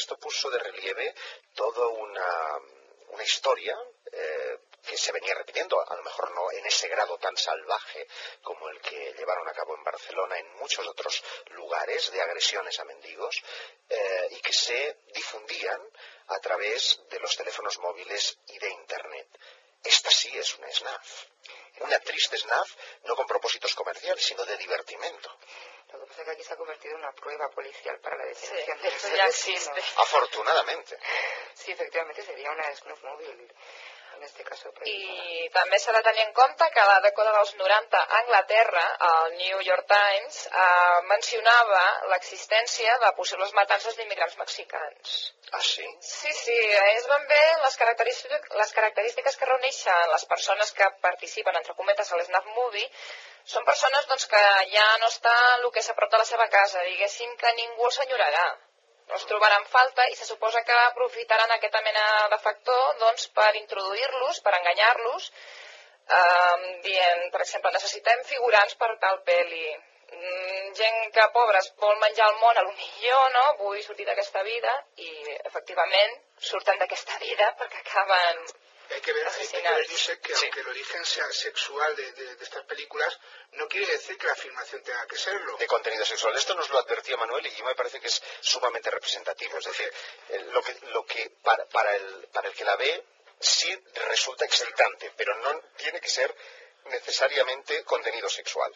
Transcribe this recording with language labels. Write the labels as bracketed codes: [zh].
[es] Esto puso de relieve toda una historia que se venía repitiendo, a lo mejor no en ese grado tan salvaje como el que llevaron a cabo en Barcelona, en muchos otros lugares, de agresiones a mendigos, y que se difundían a través de los teléfonos móviles y de Internet. Esta sí es una SNAF, una triste SNAF, no con propósitos comerciales, sino de divertimento. Lo que pasa es que aquí se ha convertido en una prueba policial para la detención. Sí, esto ya existe. Afortunadamente. Sí, efectivamente, sería una SNAF móvil. En este caso, [ca] i també s'ha de tenir en compte que a la dècada dels 90 a Anglaterra, el New York Times mencionava l'existència de possibles matances d'immigrants mexicans. Ah, sí? Sí, sí, és ben bé les característiques que reuneixen les persones que participen, entre cometes, a l'SNAF Movie. Són persones, doncs, que ja no estan el que és a prop de la seva casa, diguéssim que ningú els enyorarà. Els trobaran falta i se suposa que aprofitaran aquesta mena de factor, doncs, per introduir-los, per enganyar-los, dient, per exemple, necessitem figurants per tal pel·li. gent que pobres vol menjar el món, a lo millor, no? Vull sortir d'aquesta vida i, efectivament, surten d'aquesta vida perquè acaben... [es] Hay que ver, dice que sí. Aunque el origen sea sexual de estas películas, no quiere decir que la filmación tenga que serlo. De contenido sexual. Esto nos lo advertía Manuel y me parece que es sumamente representativo. Es decir, lo que para el que la ve sí resulta excitante, pero no tiene que ser necesariamente contenido sexual.